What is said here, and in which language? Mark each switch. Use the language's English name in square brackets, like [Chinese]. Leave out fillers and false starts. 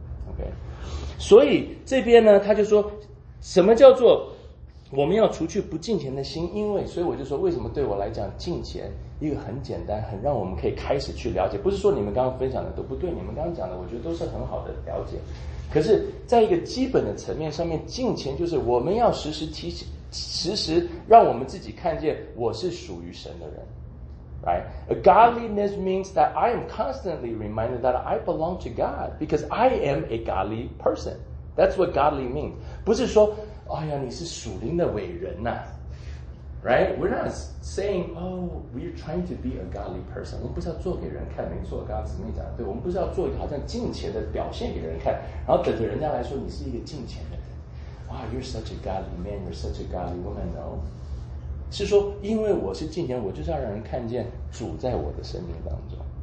[Chinese] OK， 所以这边呢，他就说，什么叫做我们要除去不敬虔的心？因为，所以我就说，为什么对我来讲敬虔一个很简单，很让我们可以开始去了解。不是说你们刚刚分享的都不对，你们刚刚讲的，我觉得都是很好的了解。可是，在一个基本的层面上面，敬虔就是我们要时时提醒。时时让我们自己看见我是属于神的人， [English] right? A godliness means that I am constantly reminded that I belong to God because I am a godly person. That's what godly means. [Chinese] 不是说，哎呀，你是属灵的伟人啊， right? [English] We're not saying, oh, we're trying to be a godly person. [Chinese] 我们不是要做给人看，没错，刚刚姊妹讲的对，我们不是要做一个好像敬虔的表现给人看，然后等着人家来说你是一个敬虔的。 [English] Wow, you're such a godly man, you're such a godly woman, no? [Chinese] 是说因为我是敬虔，我就是要让人看见主在我的生命当中。